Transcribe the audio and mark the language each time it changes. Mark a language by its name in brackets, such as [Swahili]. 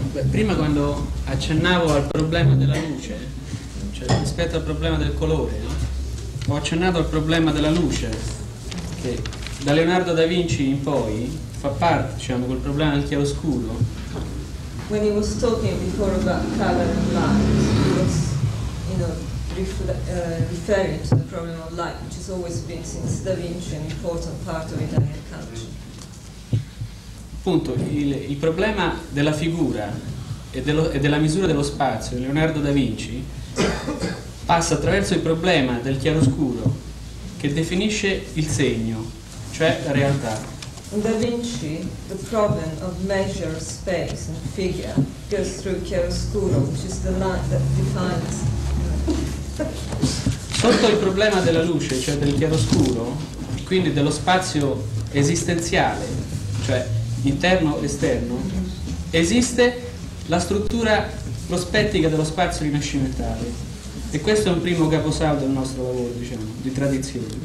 [Italian] Prima, quando accennavo al problema della luce, cioè rispetto al problema del colore, no? Ho accennato al problema della luce, che da Leonardo da Vinci in poi fa parte, diciamo, quel problema del chiaroscuro. [English] When he was talking before about color and light, he was, you know, referring to the problem of light, which has always been, since da Vinci, an important part of Italian culture. [Italian] Appunto, il problema della figura e della misura dello spazio di Leonardo da Vinci passa attraverso il problema del chiaroscuro che definisce il segno, cioè la realtà. [English] In da Vinci, the problem of measure of space and figure goes through chiaroscuro, which is the light that defines. [Italian] Sotto il problema della luce, cioè del chiaroscuro, quindi dello spazio esistenziale, cioè interno o esterno, esiste la struttura prospettica dello spazio rinascimentale, e questo è un primo caposaldo del nostro lavoro, diciamo, di tradizione.